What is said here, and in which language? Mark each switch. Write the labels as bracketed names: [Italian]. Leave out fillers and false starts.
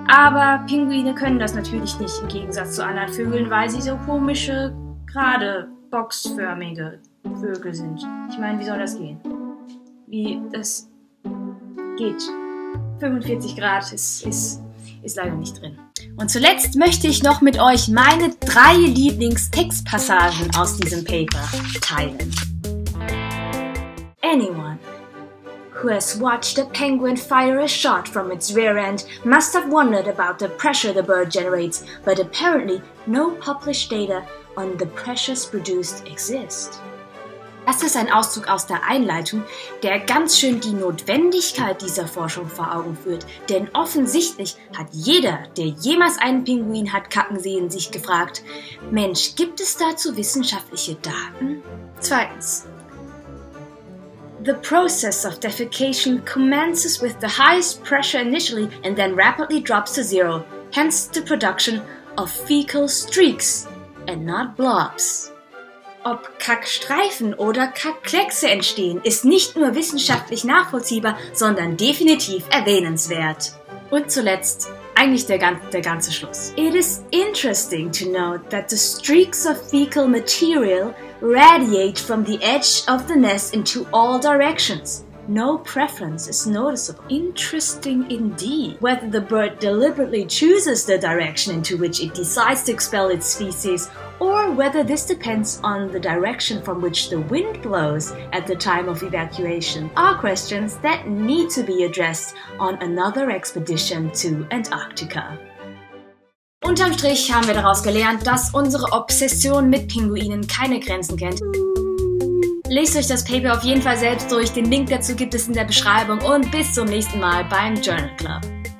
[German] Aber Pinguine können das natürlich nicht, im Gegensatz zu anderen Vögeln, weil sie so komische, gerade boxförmige Vögel sind. Ich meine, wie soll das gehen? Wie das geht? 45 Grad ist leider nicht drin. Und zuletzt möchte ich noch mit euch meine drei Lieblingstextpassagen aus diesem Paper teilen. [English] Anyone who has watched a penguin fire a shot from its rear end must have wondered about the pressure the bird generates, but apparently no published data on the pressures produced exist. [German] Das ist ein Auszug aus der Einleitung, der ganz schön die Notwendigkeit dieser Forschung vor Augen führt. Denn offensichtlich hat jeder, der jemals einen Pinguin hat kacken sehen, sich gefragt, Mensch, gibt es dazu wissenschaftliche Daten? Zweitens. [English] The process of defecation commences with the highest pressure initially and then rapidly drops to zero. Hence the production of fecal streaks and not blobs. [German] Ob Kackstreifen oder Kackkleckse entstehen, ist nicht nur wissenschaftlich nachvollziehbar, sondern definitiv erwähnenswert. Und zuletzt, eigentlich der ganze Schluss. [English] It is interesting to note that the streaks of fecal material radiate from the edge of the nest into all directions. No preference is noticeable. Interesting indeed. Whether the bird deliberately chooses the direction into which it decides to expel its feces, or whether this depends on the direction from which the wind blows at the time of evacuation, are questions that need to be addressed on another expedition to Antarctica. [German] Unterm Strich haben wir daraus gelernt, dass unsere Obsession mit Pinguinen keine Grenzen kennt. Lest euch das Paper auf jeden Fall selbst durch. Den Link dazu gibt es in der Beschreibung. Und bis zum nächsten Mal beim Journal Club.